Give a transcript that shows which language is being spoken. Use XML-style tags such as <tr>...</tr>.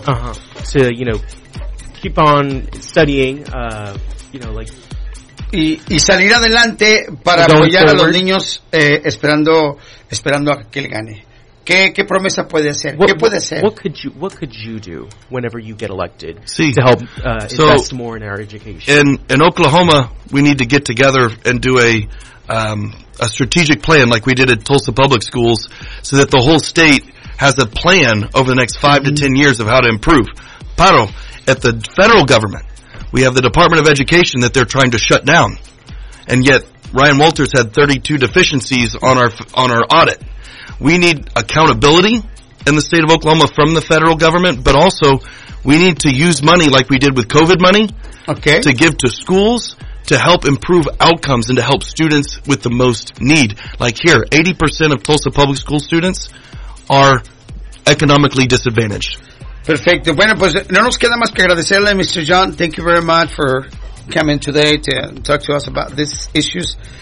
<en>To, you know, keep on studying, you know, like...</en> <es>Y salir adelante para apoyar a los niños esperando a que él gane. ¿Qué promesa puede hacer? ¿Qué puede hacer?</es> <en>What could you do whenever you get elected to help invest more in our education? In Oklahoma, we need to get together and do a strategic plan like we did at Tulsa Public Schools so that the whole state has a plan over the next 5 to 10 years of how to improve. Pero, at the federal government, we have the Department of Education that they're trying to shut down. And yet, Ryan Walters had 32 deficiencies on our audit. We need accountability in the state of Oklahoma from the federal government, but also we need to use money like we did with COVID money to give to schools to help improve outcomes and to help students with the most need. Like here, 80% of Tulsa Public School students are economically disadvantaged.</en> <es>Perfecto. Bueno, pues no nos queda más que agradecerle, Mr. John.</es> <en>Thank you very much for coming today to talk to us about these issues.</en>